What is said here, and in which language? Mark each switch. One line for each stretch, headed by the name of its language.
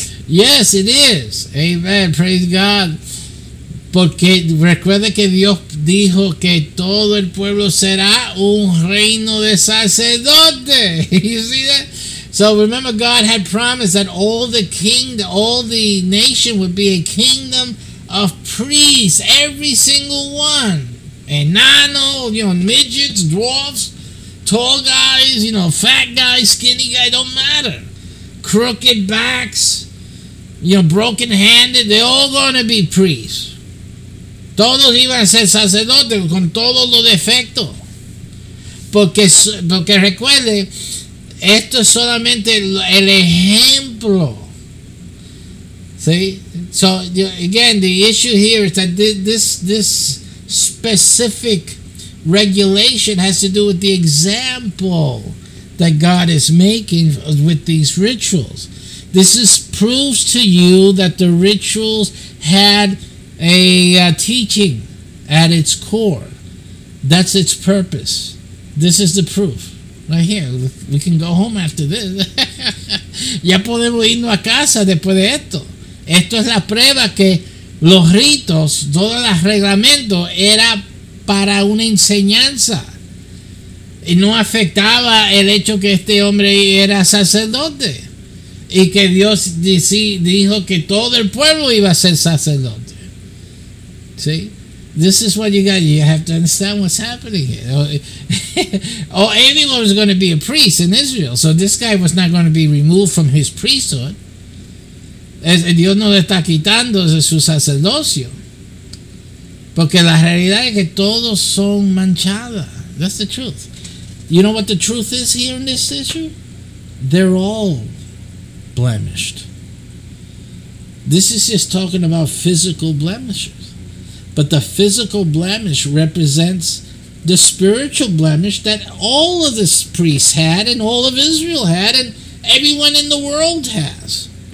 English: Yes, it is. Amen. Praise God.
Spanish: Porque recuerde que Dios dijo que todo el pueblo será un reino de sacerdote.
English: You see that? So remember, God had promised that all the nation would be a kingdom of priests, every single one. Enano, you know, midgets, dwarfs, tall guys, you know, fat guys, skinny guys, don't matter. Crooked backs, you know, broken handed, they're all going to be priests.
Spanish: Todos iban a ser sacerdotes con todos los defectos. Porque recuerde, esto es solamente el ejemplo. See?
English: So, again, the issue here is that this specific regulation has to do with the example that God is making with these rituals. This is proves to you that the rituals had a teaching at its core. That's its purpose. This is the proof. Right here, we can go home after this.
Spanish: Ya podemos irnos a casa después de esto. Esto es la prueba que los ritos, todos los reglamentos, era para una enseñanza. Y no afectaba el hecho que este hombre era sacerdote. Y que Dios dijo que todo el pueblo iba a ser sacerdote.
English: ¿Sí? This is what you got. You have to understand what's happening here. Oh, anyone was going to be a priest in Israel. So this guy was not going to be removed from his priesthood.
Spanish: Dios no le está quitando de su sacerdocio. Porque la realidad es que todos son manchadas.
English: That's the truth. You know what the truth is here in this issue? They're all blemished. This is just talking about physical blemishes. But the physical blemish represents the spiritual blemish that all of this priests had and all of Israel had and everyone in the world has.